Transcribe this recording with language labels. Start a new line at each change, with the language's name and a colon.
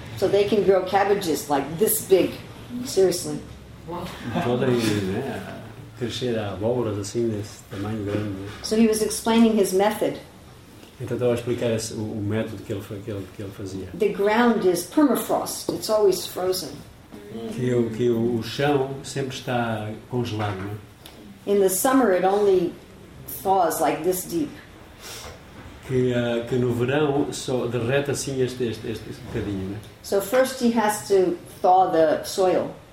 English: So they can grow cabbages like this big, seriously.
Portuguese: Podem, né, crescer abóboras assim desse tamanho grande.
English: So he was explaining his method.
Portuguese: Então estava a explicar o método que ele fazia.
English: The ground is permafrost. It's always frozen.
Portuguese: Que o chão sempre está congelado. Né?
English: In the summer, it only thaws like this deep.
Portuguese: Que no verão só derrete assim este bocadinho, né?
English: So first he has to thaw the soil.